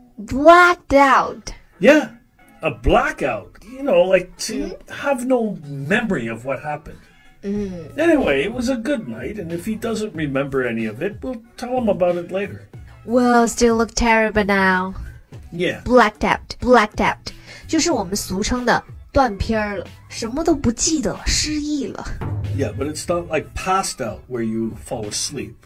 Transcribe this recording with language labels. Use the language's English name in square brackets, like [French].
[English] Blacked out? Yeah, a blackout. You know, like to have no memory of what happened. Anyway, it was a good night, and if he doesn't remember any of it, we'll tell him about it later. Well, still look terrible now. Yeah. Blacked out. [Chinese] 就是我们俗称的断片了，什么都不记得了，失忆了。 [English] Yeah, but it's not like passed out where you fall asleep.